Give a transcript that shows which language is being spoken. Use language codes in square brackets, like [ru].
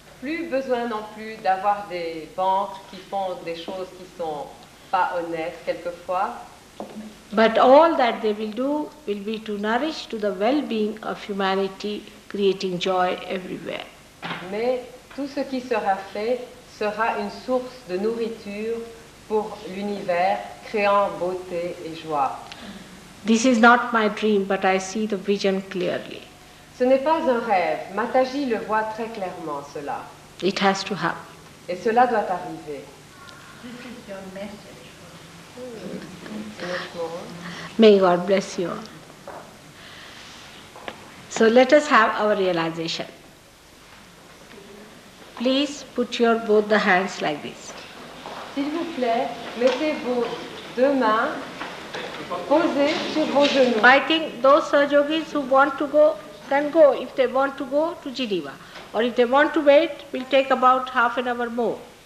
[fr] Plus besoin non plus d'avoir des banques qui font des choses qui sont pas honnêtes quelquefois. [en] But all that they will be to nourish to the well-being of humanity, creating joy everywhere. [fr] Mais tout ce qui sera fait sera une source de nourriture pour l'univers, créant beauté et joie. [en] This is not my dream, but I see the vision clearly. [fr] Ce n'est pas un rêve. Mataji le voit très clairement, cela. [en] It has to happen. [fr] Et cela doit arriver. [en] May God bless you. So let us have our realization. Please put your both the hands like this. [fr] S'il vous plaît, mettez vos deux mains posées sur vos genoux. [en] I think those sahayogis who want to go can go, if they want to go to Geneva. Or if they want to wait, we'll take about half an hour more.